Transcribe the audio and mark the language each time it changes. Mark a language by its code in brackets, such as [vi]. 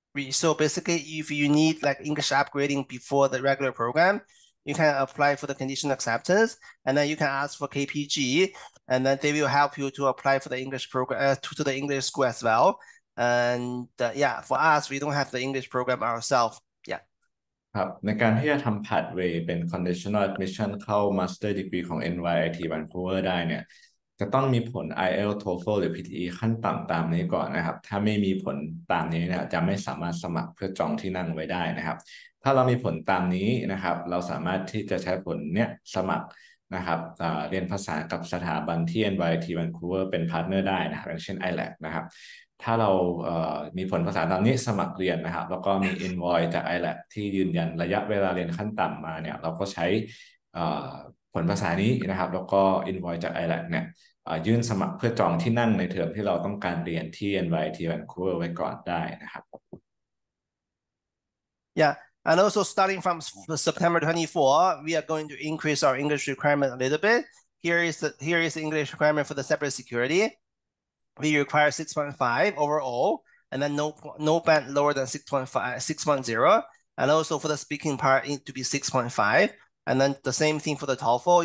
[en] so basically if you need like English upgrading before the regular program you can apply for the conditional acceptance and then you can ask for KPG and then they will help you to apply for the English program to the English school as well and yeah for us we don't have the English program ourselves. [th] ครับในการที่จะทำ Pathway เป็น Conditional Admission เข้า Master Degree ของ NYIT Vancouver ได้เนี่ยจะต้องมีผล IELTS TOEFL หรือ PTE ขั้นต่ำตามนี้ก่อนนะครับถ้าไม่มีผลตามนี้เนี่ยจะไม่สามารถสมัครเพื่อจองที่นั่งไว้ได้นะครับถ้าเรามีผลตามนี้นะครับเราสามารถที่จะใช้ผลเนี้ยสมัครนะครับเรียนภาษากับสถาบันที่ NYIT Vancouver เป็นพาร์ทเนอร์ได้นะครับอย่างเช่น ILAC นะครับถ้าเรา มีผลภาษาตามนี้สมัครเรียนนะครับแล้วก็มี invoice จาก ILAC ที่ยืนยันระยะเวลาเรียนขั้นต่ำมาเนี่ยเราก็ใช้ผลภาษานี้นะครับแล้วก็ invoice จาก ILAC เนี่ยยื่นสมัครเพื่อจองที่นั่งในเทอมที่เราต้องการเรียนที่ NYIT Vancouver ไว้ก่อนได้นะครับ [en] Yeah, and also starting from September 24, we are going to increase our English requirement a little bit. Here is the English requirement for the cybersecurity. We require 6.5 overall, and then no band lower than 6.0, and also for the speaking part to be 6.5, and then the same thing for the TOEFL.